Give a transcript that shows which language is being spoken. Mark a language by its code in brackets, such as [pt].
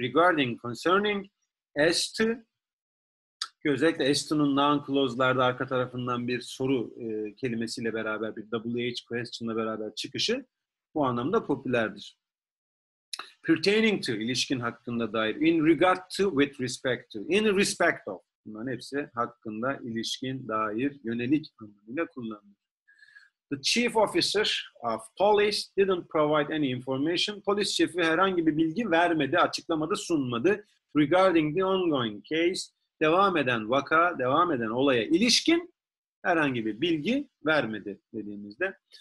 [en] Regarding, concerning, as to. [tr] Özellikle Aston'un noun clause'larda arka tarafından bir soru kelimesiyle beraber, bir WH question'la beraber çıkışı bu anlamda popülerdir. [en] Pertaining to, [tr] ilişkin hakkında dair. [en] In regard to, with respect to. In respect of. [tr] Bunların hepsi hakkında, ilişkin, dair, yönelik anlamıyla kullanılır. [en] The chief officer of police didn't provide any information. [tr] Polis şefi herhangi bir bilgi vermedi, açıklamadı, sunmadı. [en] Regarding the ongoing case. [tr] Devam eden vaka, devam eden olaya ilişkin herhangi bir bilgi vermedi dediğimizde.